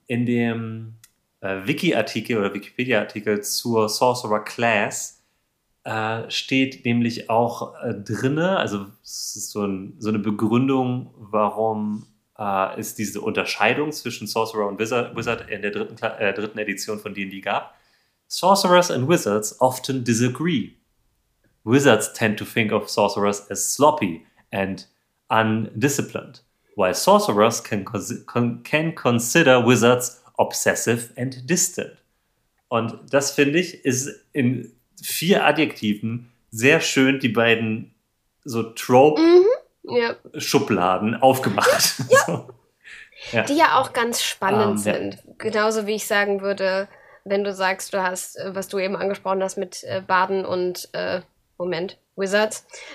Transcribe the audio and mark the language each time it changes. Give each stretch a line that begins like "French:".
German: In dem Wiki-Artikel oder Wikipedia-Artikel zur Sorcerer-Class steht nämlich auch drinne, also es ist so eine Begründung, warum es diese Unterscheidung zwischen Sorcerer und Wizard in der dritten Edition von D&D gab.
English: Sorcerers and Wizards often disagree. Wizards tend to think of Sorcerers as sloppy and undisciplined, while Sorcerers can consider Wizards obsessive and distant.
German: Und das, finde ich, ist in vier Adjektiven sehr schön die beiden so Trope-Schubladen aufgemacht. Ja. Die ja auch ganz spannend sind. Ja. Genauso wie ich sagen würde, wenn du sagst, du hast, was du eben angesprochen hast mit Baden und, Moment, Wizards.